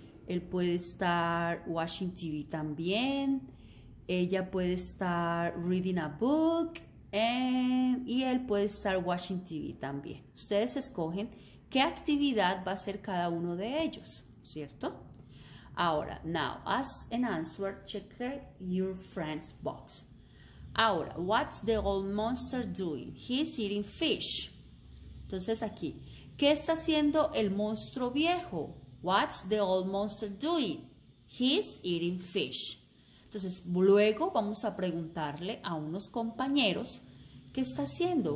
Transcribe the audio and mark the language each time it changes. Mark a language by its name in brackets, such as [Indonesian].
[Spanish] Él puede estar [English] watching TV [Spanish] también. Ella puede estar [English] reading a book. [Spanish] Y él puede estar [English] watching TV [Spanish] también. Ustedes escogen qué actividad va a hacer cada uno de ellos, ¿cierto? Ahora, [English] now, as an answer, check your friend's box. [Spanish] Ahora, [English] what's the old monster doing? He's eating fish. [Spanish] Entonces aquí, ¿qué está haciendo el monstruo viejo? [English] What's the old monster doing? He's eating fish. [Spanish] Entonces, luego vamos a preguntarle a unos compañeros, ¿qué está haciendo?